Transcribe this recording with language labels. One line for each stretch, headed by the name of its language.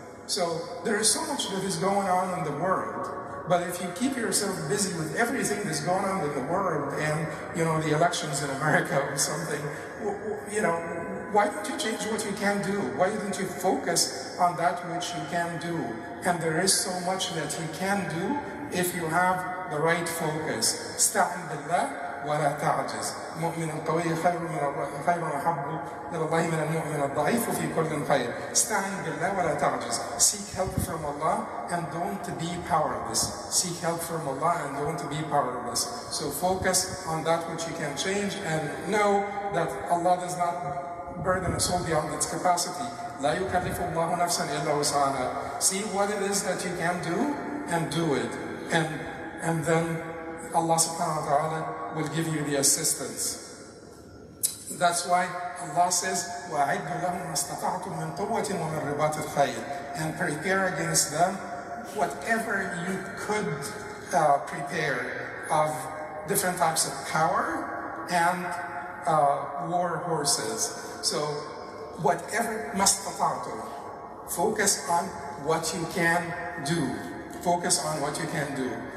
English: So there is so much that is going on in the world, but if you keep yourself busy with everything that's going on in the world, and, you know, the elections in America or something, you know, why don't you change what you can do? Why don't you focus on that which you can do? And there is so much that you can do if you have the right focus.
Arabic: استعن بالله ولا تعجز. مؤمن قوي خير أحب إلى الله من المؤمن الضعيف في كل خير. استعن بالله ولا تعجز.
English: Seek help from Allah and don't be powerless. Seek help from Allah and don't be powerless. So focus on that which you can change, and know that Allah does not burden a soul beyond its capacity.
Arabic: لا يكلف الله نفسا إلا وسعها.
English: See what it is that you can do and do it. And then Allah subhanahu wa ta'ala will give you the assistance. That's why Allah says,
Arabic: وَأَعِدُّ لَهُمْ مَا اسْتَطَعْتُمْ مِنْ قُوَّةٍ وَمِنْ رِبَاطِ الْخَيْلِ.
English: And prepare against them whatever you could prepare of different types of power and war horses. So whatever
Arabic: مَا اسْتَطَعْتُمْ.
English: Focus on what you can do. Focus on what you can do.